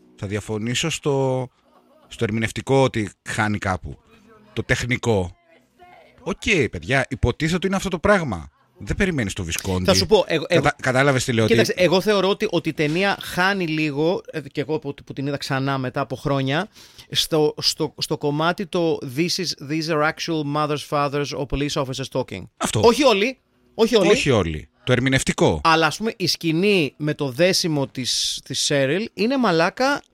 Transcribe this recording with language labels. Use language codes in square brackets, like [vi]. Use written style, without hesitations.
[el] Θα διαφωνήσω στο ερμηνευτικό ότι χάνει κάπου. Το τεχνικό. Οκ, παιδιά, υποτίθεται ότι είναι αυτό το πράγμα. Δεν περιμένει το Βισκόντι. Θα σου πω. Κατάλαβε τι λέω. Κοίταξε, εγώ θεωρώ ότι η ταινία χάνει λίγο. Και εγώ που την είδα ξανά μετά από χρόνια. Στο κομμάτι το [en] these are actual mothers, fathers or police officers talking. [el] Αυτό. Όχι όλοι. Το ερμηνευτικό. Αλλά ας πούμε η σκηνή με το δέσιμο της Σέριλ είναι μαλάκα.